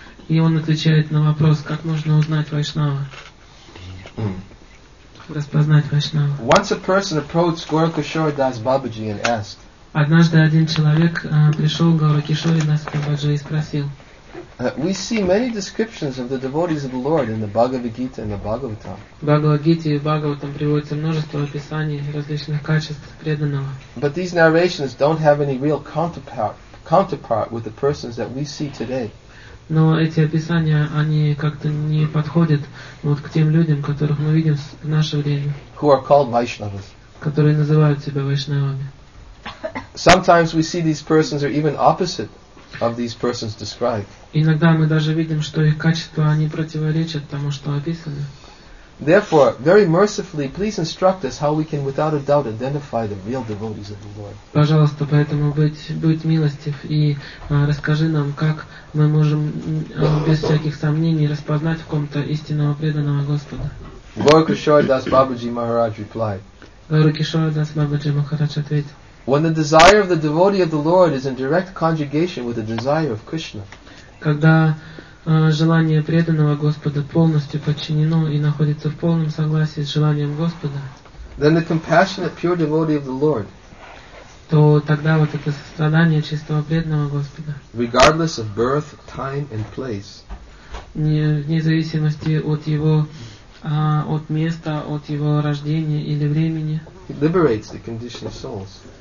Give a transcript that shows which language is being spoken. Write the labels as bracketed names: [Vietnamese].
[Russian] И он отвечает на вопрос, как можно узнать Вайшнава, распознать Вайшнава. [English] Once a person approached Gaurakishore Das Babaji and asked. [Russian] Однажды один человек пришел к Гаурикишоре Дас Бабаджи и спросил. [English] We see many descriptions of the devotees of the Lord in the Bhagavad Gita and the Bhagavatam. [Russian] В Бхагавад Гите и Бхагаватам приводится множество описаний различных качеств преданного. [English] But these narrations don't have any real counterpart with the persons that we see today. [Russian] Но эти описания, они как-то не подходят вот к тем людям, которых мы видим в наше время. [English] Who are called Vaishnavas. [Russian] Которые называют себя Вайшнавами. [English] Sometimes we see these persons are even opposite of these persons described. [Russian] Иногда мы даже видим, что их качества, они противоречат тому, что описано. [English] Therefore, very mercifully, please instruct us how we can without a doubt identify the real devotees of the Lord. [Russian] Пожалуйста, поэтому будь милостив и расскажи нам, как мы можем без всяких сомнений распознать в ком-то истинного преданного Господа. [English] Gaurakishordas Babaji Maharaj replied. [Russian] Gaurakishordas Babaji Maharaj ответил. [English] When the desire of the devotee of the Lord is in direct conjugation with the desire of Krishna. [Russian] Когда желание преданного Господа полностью подчинено и находится в полном согласии с желанием Господа. [English] Then the compassionate pure devotee of the Lord. [Russian] То тогда вот это сострадание чистого преданного Господа. [English] Regardless of birth, time and place. [Russian] Вне зависимости от его от места, от его рождения или времени. [English] Liberates the conditioned souls.